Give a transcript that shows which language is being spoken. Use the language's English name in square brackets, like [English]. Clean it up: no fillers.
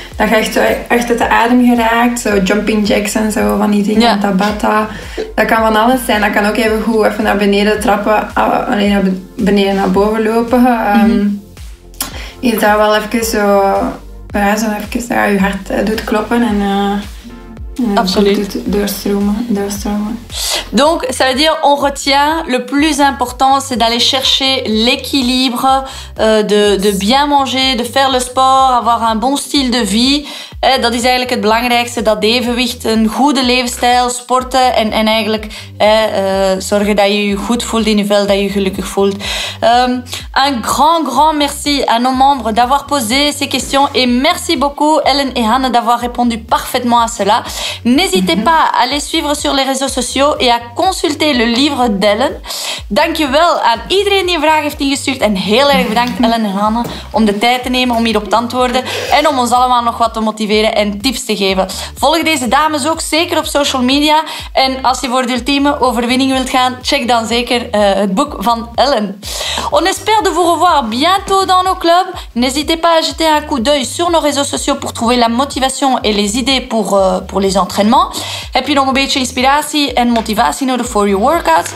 [Dutch] Dat je echt uit de adem geraakt. Zo jumping jacks en zo van die dingen. Ja. Tabata. Dat kan van alles zijn. Dat kan ook even goed even naar beneden trappen. Alleen naar beneden naar boven lopen. Mm-hmm. Is dat wel even zo... Ja, zo even dat je hart doet kloppen en absoluut doet doorstromen. [French] Donc, ça veut dire, on retient, le plus important, c'est d'aller chercher l'équilibre, de bien manger, de faire le sport, avoir un bon style de vie. [Dutch] Dat is eigenlijk het belangrijkste, dat evenwicht, een goede levensstijl, sporten en eigenlijk zorgen dat je je goed voelt in je vel, dat je gelukkig voelt. [French] Un grand, grand merci à nos membres d'avoir posé ces questions et merci beaucoup, Ellen et Hanne, d'avoir répondu parfaitement à cela. N'hésitez pas à les suivre sur les réseaux sociaux et à consulter le livre d'Ellen. [Dutch] Dankjewel aan iedereen die een vraag heeft ingestuurd en heel erg bedankt Ellen en Hanne om de tijd te nemen om hierop te antwoorden en om ons allemaal nog wat te motiveren en tips te geven. Volg deze dames ook zeker op social media en als je voor de ultieme overwinning wilt gaan, check dan zeker het boek van Ellen. [French] On espère de vous revoir bientôt dans nos clubs. N'hésitez pas à jeter un coup d'œil sur nos réseaux sociaux pour trouver la motivation et les idées pour les entraînements. [Dutch] Heb je nog een beetje inspiratie en motivatie nodig voor je workouts?